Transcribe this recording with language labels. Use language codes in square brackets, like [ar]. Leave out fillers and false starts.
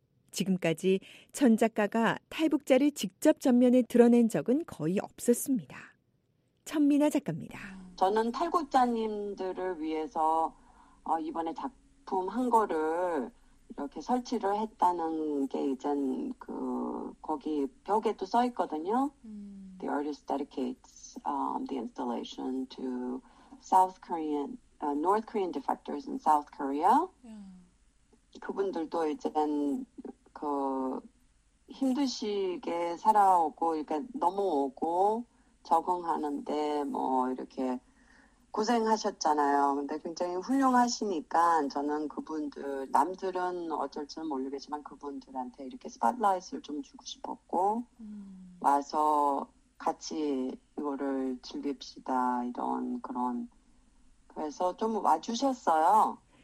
[ko] 지금까지 천 작가가 탈북자를 직접 전면에 드러낸 적은 거의 없었습니다. 천미나 작가입니다. 저는 탈북자님들을 위해서 이번에 작품 한 거를 이렇게 설치를 했다는 게 이젠 그 거기 벽에도 써 있거든요. [en] The artist dedicates the installation to South Korean, North Korean defectors in South Korea. [ko] 그분들도 이제는 그 힘드시게 살아오고 이렇게 넘어오고 적응하는데 뭐 이렇게 고생하셨잖아요. 근데 굉장히 훌륭하시니까 저는 그분들 남들은 어쩔지는 모르겠지만 그분들한테 이렇게 스팟라이트를 좀 주고 싶었고 와서 같이 이거를 즐깁시다 이런 그런 그래서 좀 와주셨어요.